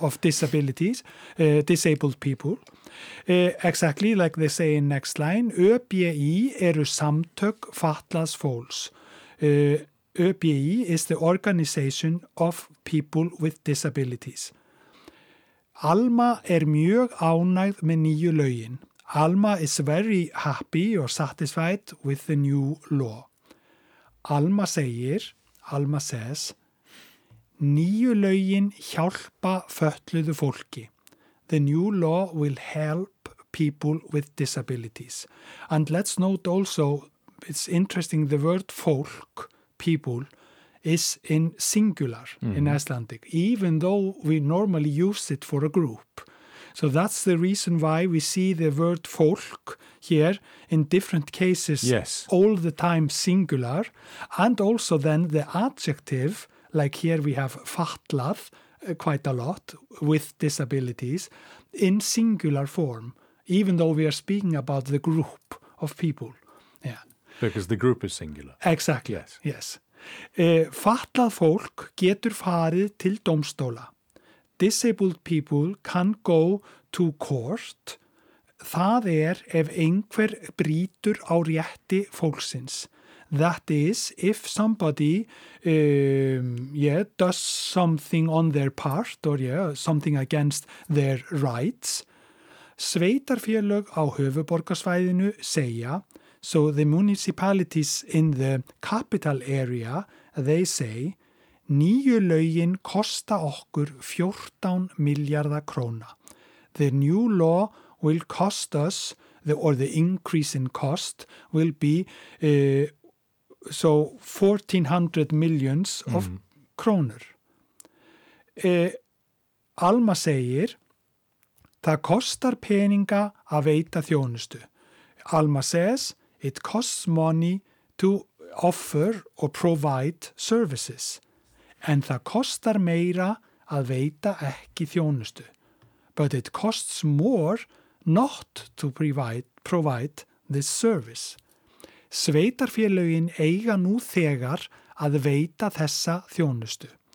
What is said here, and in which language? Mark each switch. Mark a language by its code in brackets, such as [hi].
[en] of disabilities, disabled people. Exactly like they say in next line, [is] ÖBÍ eru samtök fatlas fólks. [en] ÖBÍ is the organization of people with disabilities. [is] Alma er mjög ánægð með nýju lögin. [en] Alma is very happy or satisfied with the new law. Alma says, [is] nýju lögin hjálpa fötluðu fólki. [en] The new law will help people with disabilities. And let's note also, it's interesting, the word fólk, people, is in singular in Icelandic, even though we normally use it for a group. So that's the reason why we see the word fólk here in different cases, yes, all the time singular. And also then the adjective, like here we have fatlað, quite a lot, with disabilities, in singular form, even though we are speaking about the group of people. Yeah. Because the group is singular. Exactly, yes. [is] Fatlað fólk getur farið til dómstóla. [en] Disabled people can go to court. [is] Það ef einhver brýtur á rétti fólksins. [en] That is, if somebody does something on their part or something against their rights. [is] Sveitarfélög á höfuborgarsvæðinu segja. [en] So the municipalities in the capital area, they say, [is] nýju lögin kosta okkur 14 miljardar króna. [en] The new law will cost us, the increase in cost will be 1400 millions of krónur. [is] Alma segir, það kostar peninga að veita þjónustu. [en] Alma says, it costs money to offer or provide services. [is] En það kostar meira að veita ekki þjónustu. [en] But it costs more not to provide this service. [is] Sveitarfélögin eiga nú þegar að veita þessa þjónustu.